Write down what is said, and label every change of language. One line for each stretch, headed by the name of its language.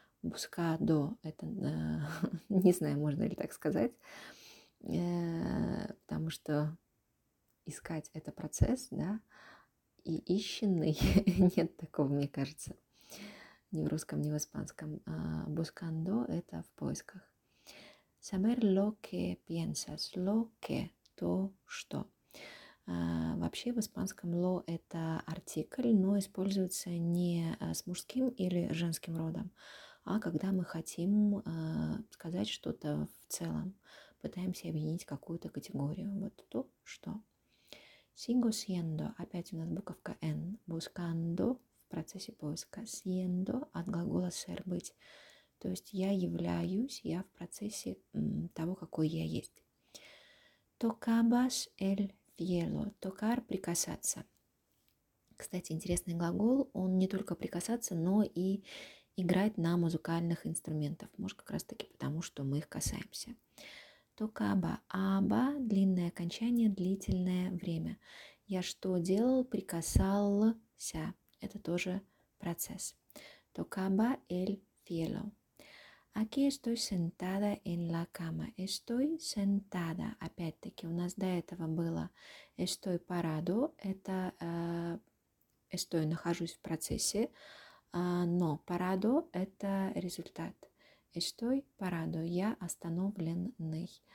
Russian: «Buscado» – это, не знаю, можно ли так сказать, потому что искать – это процесс, да, и ищенный нет такого, мне кажется, ни в русском, ни в испанском. «Buscando» – это в поисках.
Spanish: «Saber lo que piensas», «lo que» –
Russian: то, что. Вообще в испанском «lo» – это артикль, но используется не с мужским или женским родом, а когда мы хотим сказать что-то в целом, пытаемся объединить какую-то категорию. Вот то, что.
Spanish: Sigo siendo.
Russian: Опять у нас буковка N. Buscando в процессе поиска. Siendo от глагола ser быть. То есть я являюсь, я в процессе того, какой я есть.
Spanish: Tocabas el cielo.
Russian: Tocar – прикасаться. Кстати, интересный глагол. Он не только прикасаться, но и играть на музыкальных инструментах. Может, как раз-таки потому, что мы их касаемся.
Spanish: Tocaba.
Russian: Aba – длинное окончание, длительное время. Я что делал? Прикасался. Это тоже процесс.
Spanish: Tocaba el cielo. Aquí estoy sentada en la cama. Estoy sentada.
Russian: Опять-таки, у нас до этого было
Spanish: estoy parado.
Russian: Это estoy, нахожусь в процессе. Но parado – это результат.
Spanish: Estoy parado
Russian: – я остановленный.